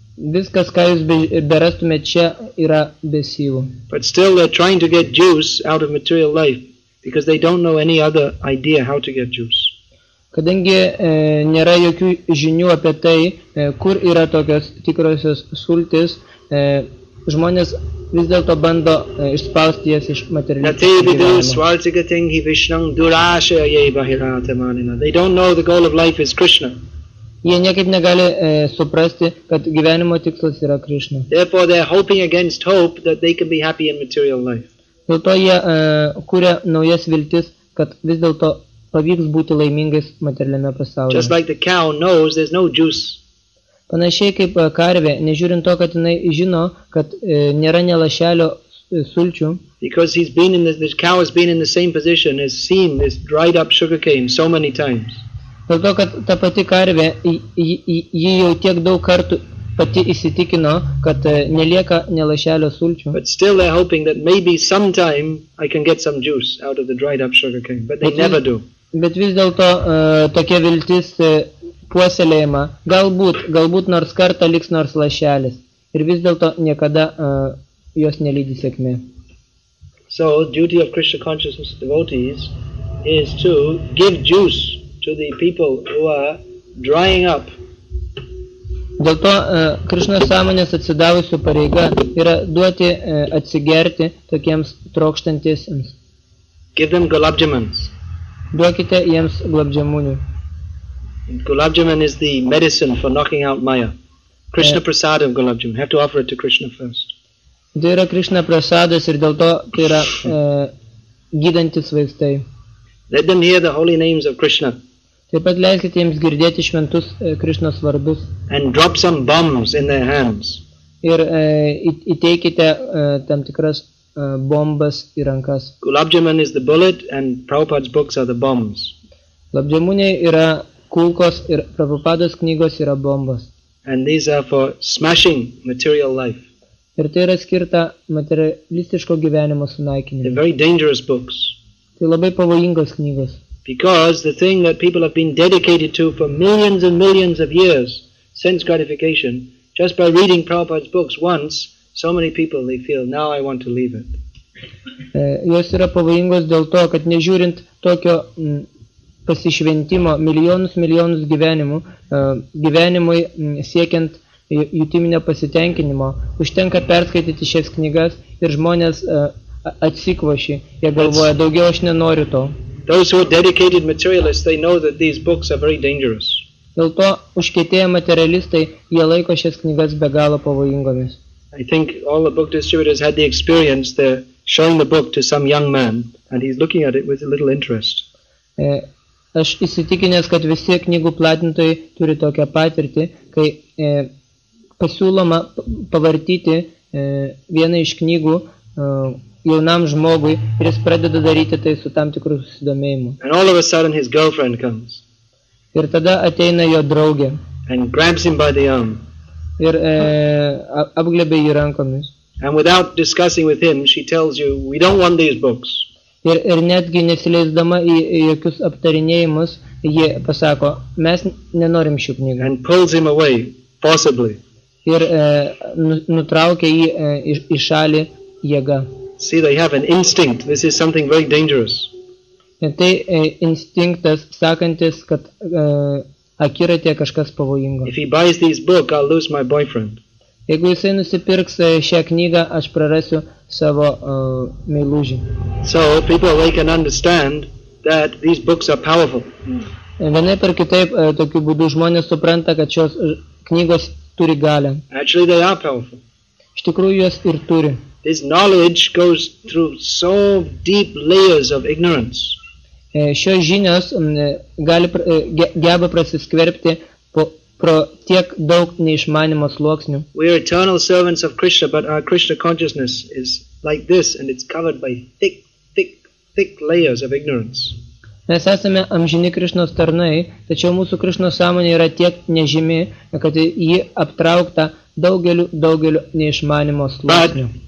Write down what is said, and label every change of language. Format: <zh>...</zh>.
<lt>Viskas, ką jūs berastumėte čia, yra be syvų.</lt> <en>But still they're trying to get juice out of material life, because they don't know any other idea how to get juice.</en> <lt>Kadangi nėra jokių žinių apie tai, kur yra tokios tikrosios sultis, žmonės vis dėlto bando išspausti jas iš materialinio.</lt> <en>They don't know the goal of life is Krishna.</en> <lt>Jie niekaip negali suprasti, kad gyvenimo tikslas yra Krishna.</lt> <en>Therefore they are hoping against hope that they can be happy in material life.</en> <lt>Dėl to jie kuria naujas viltis, kad vis dėlto pavyks būti laimingais materialiame pasaulyje.</lt> <en>Just like the cow knows there's no juice.</en> <lt>Panašiai kaip karvė, nežiūrint to, kad jinai žino, kad nėra nelašelio sulčių.</lt> <en>Because he's been in this cow has been in the same position has seen this dried up sugar cane so many times.</en> <lt>Dėl to, kad ta pati karvė, ji jau tiek daug kartų pati įsitikino, kad nelieka nelašelio sulčių.</lt> <en>But still they're hoping that maybe sometime I can get some juice out of the dried up sugar cane, but they never do.</en> <lt>Bet vis dėlto tokia viltis puoselėjama, galbūt nors kartą liks nors lašelis. Ir vis dėlto niekada jos nelydi sėkmė.</lt> <en>So duty of Krishna consciousness devotees is to give juice to the people who are drying up</en> <lt>Dėl to Krišna sąmonės atsidavusių pareiga yra duoti atsigerti tokiems trokštantiesiems.</lt> <en>Give them gulabjamans.</en> <lt>Duokite jiems gulabjamunių.</lt> <en>Gulabjaman is the medicine for knocking out maya. Krishna prasadam gulabjam. Have to offer it to Krishna first.</en> <lt>Tai yra Krishna prasadas ir dėl to tai yra gydantis vaistai.</lt> <en>Let them hear the holy names of Krishna.</en> <lt>Taip pat leiskite jiems girdėti šventus Krishnos vardus.</lt> <en>And drop some bombs in their hands.</en> <lt>Ir įteikite tam tikras bombas į rankas.</lt> <en>Gulabjaman is the bullet and Prabhupada's books are the bombs.</en> <lt>Gulabjamunai yra kulkos ir Prabhupada's knygos yra bombas.</lt> <en>And these are for smashing material life.</en> <lt>Ir tai yra skirta materialistiško gyvenimo sunaikinimui.</lt> <en>They're very dangerous books.</en> <lt>Tai labai pavojingos knygos.</lt> <en>Because the thing that people have been dedicated to for millions and millions of years, sense gratification, just by reading Prabhupada's books once, so many people, they feel, now I want to leave it.</en> <lt>Jos yra pavojingos dėl to, kad nežiūrint tokio pasišventimo milijonus, milijonus gyvenimų, gyvenimui siekiant jutiminio pasitenkinimo, užtenka perskaityti šias knygas ir žmonės atsikvoši, jie galvoja, daugiau aš nenoriu to.</lt> <en>Those who are dedicated materialists, they know that these books are very dangerous.</en> <lt>Dėl to užkietėję materialistai, jie laiko šias knygas be galo pavojingomis.</lt> <en>I think all the book distributors had the experience, they're showing the book to some young man, and he's looking at it with a little interest.</en> <lt>Aš įsitikinęs, kad visi knygų platintojai turi tokią patirtį, kai pasiūloma pavartyti vieną iš knygų, jaunam žmogui, ir jis pradeda daryti tai su tam tikru susidomėjimu.</lt> <en>And all of a sudden his girlfriend comes.</en> <lt>Ir tada ateina jo draugė.</lt> <en>And grabs him by the arm.</en> <lt>Ir apglėbė jį rankomis.</lt> <en>And without discussing with him, she tells you, we don't want these books.</en> <lt>Ir netgi nesileisdama į jokius aptarinėjimus, ji pasako, mes nenorim šių knygų.</lt> <en>And pulls him away, forcibly.</en> <lt>Ir nutraukia jį į šalį jėga.</lt> <en>See, they have an instinct. This is something very dangerous.</en> <lt>Tai instinktas sakantis, kad akiratė kažkas pavojingo.</lt> <en>If he buys this book, I'll lose my boyfriend.</en> <lt>Jeigu jisai nusipirks šią knygą, aš prarasiu savo meilužį.</lt> <en>So people, they can understand that these books are powerful.</en> <lt>Vienaip ar kitaip, tokiu būdu žmonės supranta, kad šios knygos turi galę.</lt> <en>Actually, they are powerful.</en> <lt>Iš tikrųjų, jos ir turi.</lt> <en>This knowledge goes through so deep layers of ignorance.</en> <lt>Šios žinios gali geba prasiskverbti pro tiek daug neišmanimo sluoksnių.</lt> <en>We are eternal servants of Krishna, but our Krishna consciousness is like this and it's covered by thick layers of ignorance.</en> <lt>Mes esame amžini Krišnos tarnai, tačiau mūsų Krišnos sąmonė yra tiek nežymi, kad ji aptraukta daugeliu neišmanimo sluoksnių.</lt>